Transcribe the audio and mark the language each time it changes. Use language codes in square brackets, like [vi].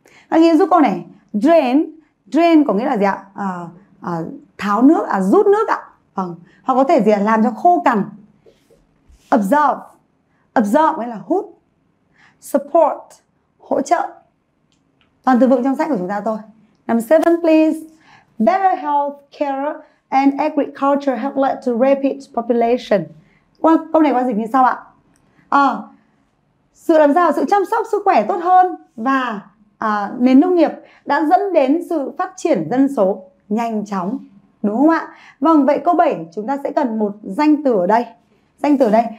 [vi] Các nghĩa giúp câu này. Drain. Drain có nghĩa là gì ạ? Tháo nước, rút nước ạ. Vâng. Hoặc có thể gì ạ? Làm cho khô cằn. Absorb. Absorb nghĩa là hút. Support. Hỗ trợ. Toàn từ vựng trong sách của chúng ta thôi. [en] Number 7 please. Better health care and agriculture have led to rapid population. [vi] Qua câu này qua dịch như sau ạ? Sự làm sao? Sự chăm sóc sức khỏe tốt hơn và nền nông nghiệp đã dẫn đến sự phát triển dân số nhanh chóng. Đúng không ạ? Vâng, vậy câu 7 chúng ta sẽ cần một danh từ ở đây. Danh từ ở đây.